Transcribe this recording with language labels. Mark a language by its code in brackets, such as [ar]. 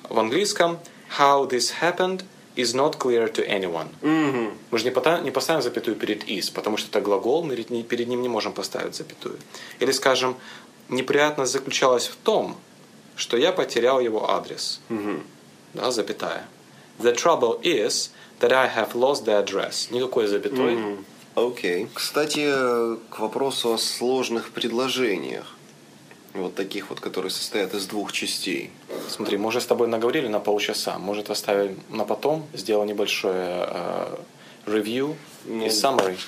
[ru] В английском [en] «How this happened» is not clear to anyone. [ru] Мы же не поставим запятую перед is, потому что это глагол, мы перед ним не можем поставить запятую. Или, скажем, неприятность заключалась в том, что я потерял его адрес. Да, запятая. [en] The trouble is that I have lost the address. [ru] Никакой запятой. Окей. Кстати, к вопросу о сложных предложениях. вот таких вот, которые состоят из двух частей. Смотри, мы уже с тобой наговорили на полчаса. Может, оставим на потом, сделаем небольшое review и summary.